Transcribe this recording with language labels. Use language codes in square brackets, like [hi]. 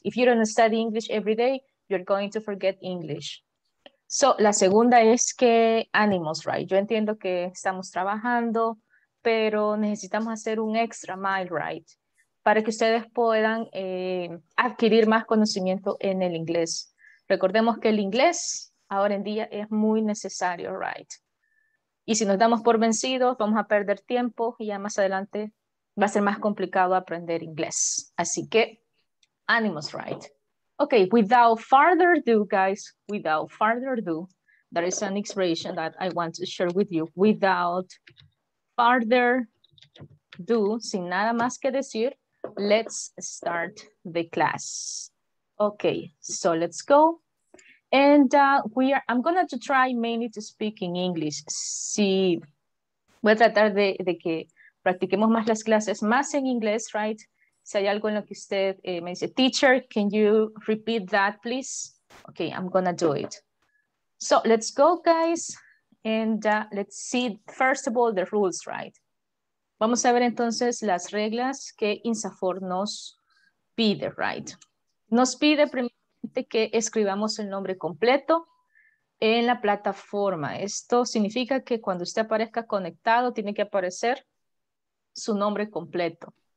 [en] If you don't study English every day, you're going to forget English. [es] So, la segunda es que ánimos, right? Yo entiendo que estamos trabajando, pero necesitamos hacer un [en] extra mile, [es] right? Para que ustedes puedan adquirir más conocimiento en el inglés. Recordemos que el inglés ahora en día es muy necesario, right? Y si nos damos por vencidos, vamos a perder tiempo y ya más adelante va a ser más complicado aprender inglés. Así que, ánimos, right? [en] Okay, without further ado, guys, without further ado, there is an expression that I want to share with you. Without further ado, [es] sin nada más que decir, [en] let's start the class. Okay, so let's go. And I'm going to try mainly to speak in English. [es] Sí, voy a tratar de que practiquemos más las clases, más en inglés, right? Si hay algo en lo que usted me dice, teacher, [en] can you repeat that, please? Okay, I'm going to do it. So let's go, guys. And let's see, first of all, the rules, right? [es] Vamos a ver entonces las reglas que INSAFOR nos pide, right? Nos pide primero que escribamos el nombre completo en la plataforma. Esto significa que cuando usted aparezca conectado, tiene que aparecer su nombre completo.